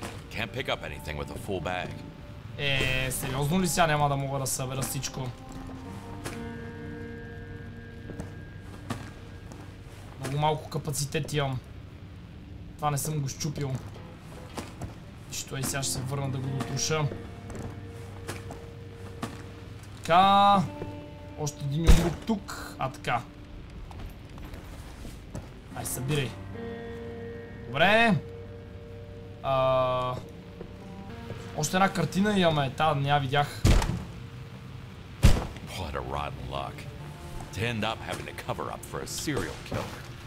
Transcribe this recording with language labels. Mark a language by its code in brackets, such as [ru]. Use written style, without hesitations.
[en] Can't pick up anything with a full bag. [bg] Сериозно ли сега няма да мога да събера всичко? Много малко капацитет имам. Това не съм го счупил. Нищо, и сега ще се върна да го отруша. Така. Още един умрук тук. А така. Ай, събирай. Добре. Още една картина имаме, тази не я видях. [en] What a rotten luck. To end up having to cover up for a serial killer.